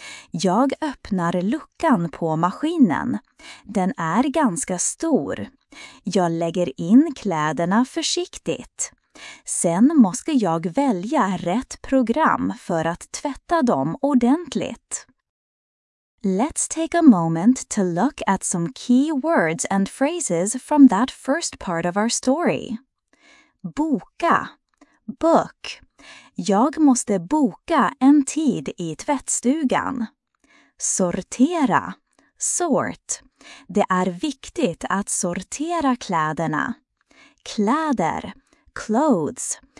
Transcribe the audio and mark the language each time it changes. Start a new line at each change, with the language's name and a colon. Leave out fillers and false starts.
Swedish: Jag öppnar luckan på maskinen. Den är ganska stor. Jag lägger in kläderna försiktigt. Sen måste jag välja rätt program för att tvätta dem ordentligt.
English: Let's take a moment to look at some key words and phrases from that first part of our story.
Swedish: Boka.
English: Book.
Swedish: Jag måste boka en tid i tvättstugan. Sortera.
English: Sort.
Swedish: Det är viktigt att sortera kläderna. Kläder.
English: Clothes.